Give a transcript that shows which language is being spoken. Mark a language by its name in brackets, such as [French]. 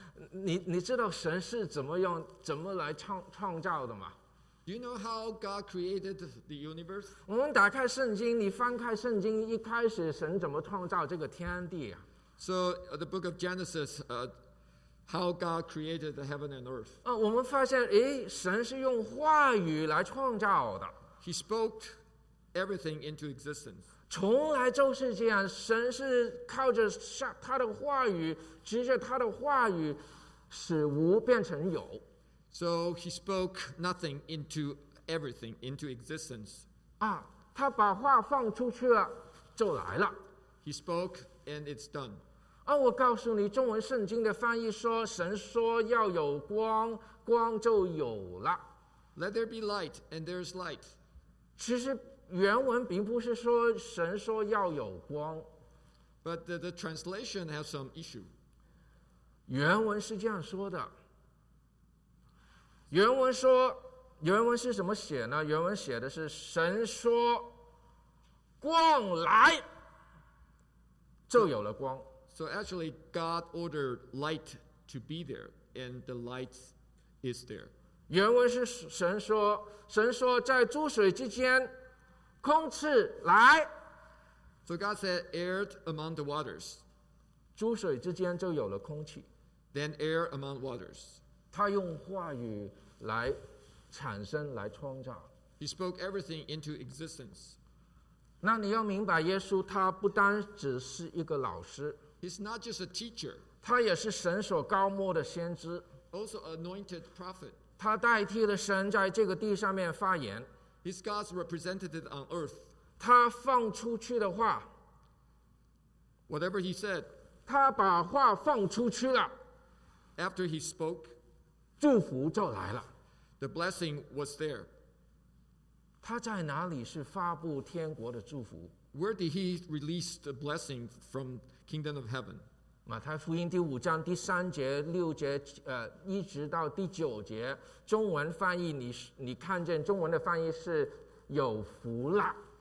[Chinese] 你知道神是怎么用怎么来创造的吗？ [English] You know how God created the universe? [Chinese] 我们打开圣经，你翻开圣经，一开始神怎么创造这个天地啊？ [English] So, the book of Genesis, how God created the heaven and earth. [Chinese] 我们发现，神是用话语来创造的。 [English] He spoke. Everything into existence. [Chinese] 从来就是这样，神是靠着他的话语，直接他的话语使无变成有。 [English] So he spoke nothing into everything into existence. [Chinese] 他把话放出去了，就来了。 [English] He spoke and it's done. [Chinese] 我告诉你，中文圣经的翻译说，神说要有光，光就有了。 [English] Let there be light and there is light. [Chinese] 其实原文并不是说神说要有光。 [English] But the translation has some issue. [Chinese] 原文是这样说的。原文说，原文是怎么写呢？原文写的是神说光来就有了光。 [English] So actually God ordered light to be there and the light is there. [Chinese] 原文是神说，神说在诸水之间空气来。 [English] So God said, air among the waters. [Chinese] 诸水之间就有了空气。 [English] Then air among waters. [Chinese] 他用话语来产生，来创造。 [English] He spoke everything into existence. [Chinese] 那你要明白，耶稣他不单只是一个老师。 [English] He's not just a teacher. [Chinese] 他也是神所高牧的先知。 [English] Also anointed prophet. [Chinese] 他代替了神在这个地上面发言。 [English] He's God's representative on earth. [Chinese] 他放出去的话， [English] whatever he said, [Chinese] 他把话放出去了， [English] after he spoke, [Chinese] 祝福就来了， [English] The blessing was there. [Chinese] 他在哪里是发布天国的祝福？ [English] Where did he release the blessing from kingdom of heaven? [Chinese] 马太福音第五章第三节、六节，一直到第九节，中文翻译你看见中文的翻译是有福了。